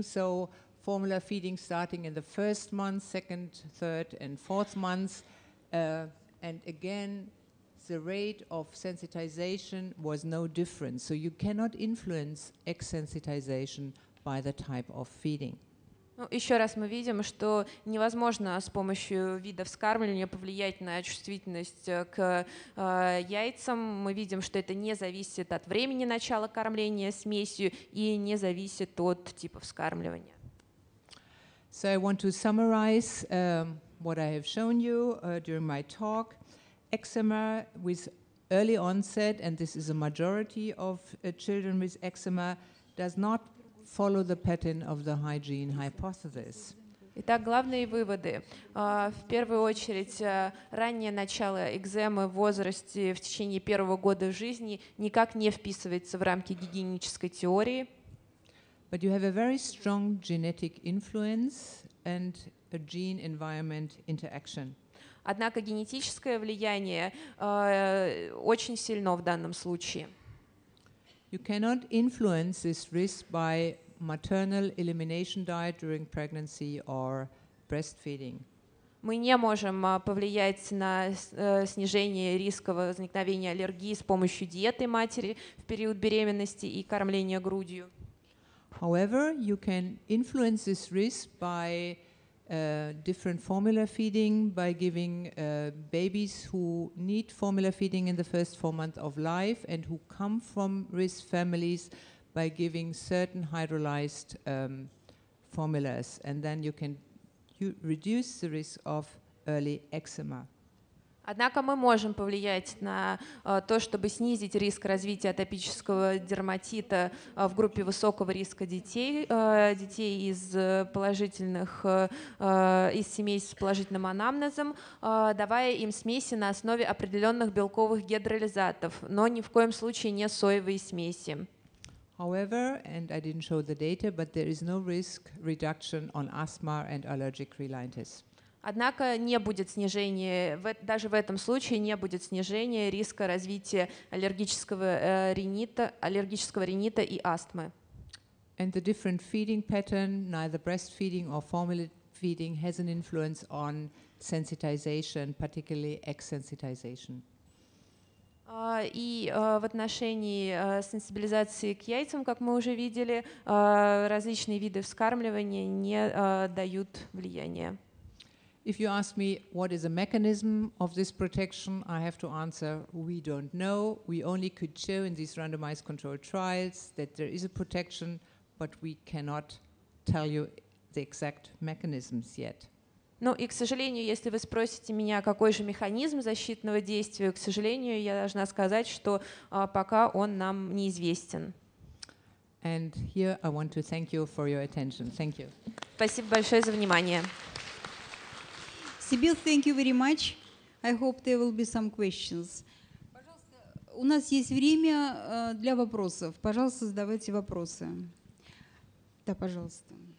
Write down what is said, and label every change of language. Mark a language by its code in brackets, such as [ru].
[en] So formula feeding starting in the first month, second, third, and fourth months. And again, the rate of sensitization was no different. So you cannot influence exensitization by the type of feeding. [ru] Ну, еще раз мы видим, что невозможно с помощью видов вскармливания повлиять на чувствительность к яйцам. Мы видим, что это не зависит от времени начала кормления смесью и не зависит от типа вскармливания. [en] So I want to summarize what I have shown you during my talk. Eczema with early onset, and this is a majority of children with eczema, does not follow the pattern of the hygiene hypothesis. [ru] Итак, главные выводы. В первую очередь, раннее начало экземы в возрасте в течение первого года жизни никак не вписывается в рамки гигиенической теории. [en] But you have a very strong genetic influence and a gene-environment interaction. [ru] Однако генетическое влияние очень сильно в данном случае. [en] You cannot influence this risk by maternal elimination diet during pregnancy or breastfeeding. [ru] Мы не можем повлиять на снижение риска возникновения аллергии с помощью диеты матери в период беременности и кормления грудью. [en] However, you can influence this risk by different formula feeding, by giving babies who need formula feeding in the first 4 months of life and who come from risk families, by giving certain hydrolyzed formulas, and then you can reduce the risk of early eczema. [ru] Однако мы можем повлиять на то, чтобы снизить риск развития атопического дерматита в группе высокого риска детей, детей из положительных из семей с положительным анамнезом, давая им смеси на основе определенных белковых гидролизатов, но ни в коем случае не соевые смеси. [en] However, and I didn't show the data, but there is no risk reduction on asthma and allergic rhinitis. [ru] Однако не будет снижения, даже в этом случае не будет снижения риска развития аллергического ринита и астмы. [en] And the different feeding pattern, neither breastfeeding or formula feeding, has an influence on sensitization, particularly exsensitization. [ru] И в отношении сенсибилизации к яйцам, как мы уже видели, различные виды вскармливания не дают влияния. [en] If you ask me what is the mechanism of this protection, I have to answer, we don't know. We only could show in these randomized controlled trials that there is a protection, but we cannot tell you the exact mechanisms yet. [ru] Ну и, к сожалению, если вы спросите меня, какой же механизм защитного действия, к сожалению, я должна сказать, что пока он нам неизвестен. [en] And here I want to thank you for your attention. Thank you. [ru] Спасибо большое за внимание. [en] Sibyl, thank you very much. I hope there will be some questions. [ru] Пожалуйста, у нас есть время для вопросов. Пожалуйста, задавайте вопросы. Да, пожалуйста.